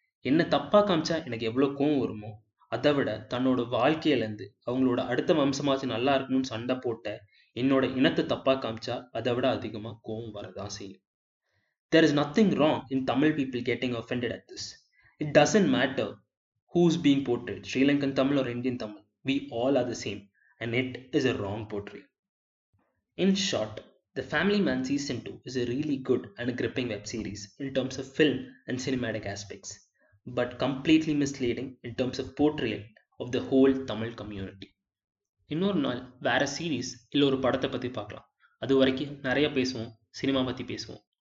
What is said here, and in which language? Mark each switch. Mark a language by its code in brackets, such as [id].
[ta] என்ன தப்பா காமிச்சா எனக்கு எவ்வளோ கோவம் வருமோ, அதை விட தன்னோட வாழ்க்கையிலேருந்து அவங்களோட அடுத்த வம்சமாச்சு நல்லா இருக்கணும்னு சண்டை போட்ட என்னோட இனத்தை தப்பா காமிச்சா அதை விட அதிகமாக கோவம் வரதான் செய்யும். [en] There is nothing wrong in Tamil people getting offended at this. It doesn't matter who's being portrayed, Sri Lankan Tamil or Indian Tamil, we all are the same and it is a wrong portrait. In short, The Family Man Season 2 is a really good and a gripping web series in terms of film and cinematic aspects, but completely misleading in terms of portrayal of the whole Tamil community. [ta] இன்னொரு நாள் வேற series இல்லை ஒரு படத்தை பற்றி பார்க்கலாம். அது வரைக்கும் நிறைய பேசுவோம், சினிமா பற்றி பேசுவோம்.